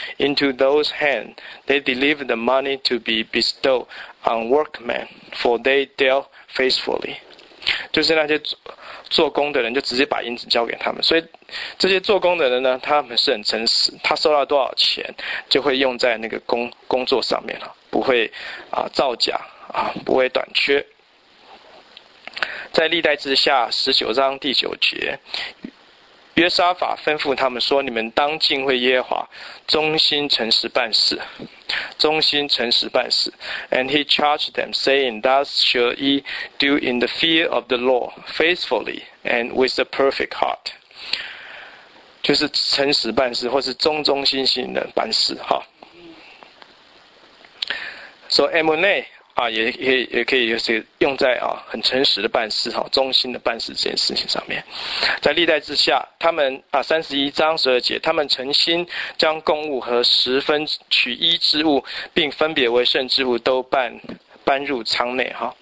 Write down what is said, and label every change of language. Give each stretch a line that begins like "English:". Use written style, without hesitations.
English: Into those hands, they delivered the money to be bestowed on workmen, for they dealt faithfully.
Chinese: 就是那些做工的人就直接把银子交给他们，所以这些做工的人呢，他们是很诚实，他收到多少钱就会用在那个工作上面不会造假不会短缺。在历代之下19章第9节。约沙法吩咐他们说，你们当敬畏耶和华，忠心诚实办事，忠心诚实办事。
English: And he charged them, saying, Thus shall ye do in the fear of the Lord, faithfully and with a perfect heart.
Chinese: 就是诚实办事，或是忠心的办事。 So M&A也可以就是用在很诚实的办事忠心的办事这件事情上面。在历代之下，他们31章12节，他们诚心将供物和十分取一之物，并分别为圣之物，都搬入仓内